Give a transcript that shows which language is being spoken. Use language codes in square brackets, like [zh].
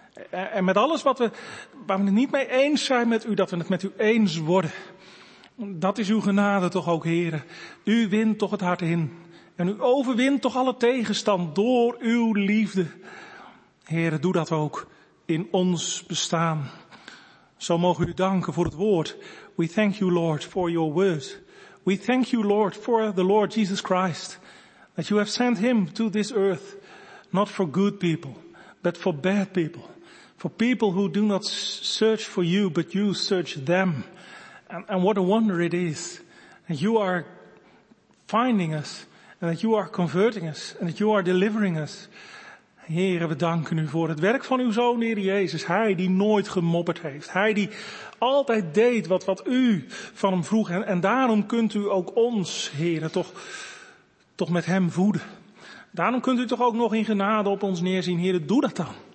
[nl] En met alles waar we het niet mee eens zijn met u, dat we het met u eens worden. Dat is uw genade toch ook, Heere. U wint toch het hart in. En u overwint toch alle tegenstand door uw liefde. Heere, doe dat ook in ons bestaan. Zo mogen we u danken voor het woord. [en] We thank you, Lord, for your word. We thank you, Lord, for the Lord Jesus Christ, that you have sent him to this earth, not for good people, but for bad people, for people who do not search for you, but you search them. And what a wonder it is that you are finding us, and that you are converting us, and that you are delivering us. [nl] Heere, we danken u voor het werk van uw Zoon, Heer Jezus. Hij die nooit gemopperd heeft. Hij die altijd deed wat u van hem vroeg. En daarom kunt u ook ons, Heere, toch met hem voeden. Daarom kunt u toch ook nog in genade op ons neerzien. Heere, doe dat dan.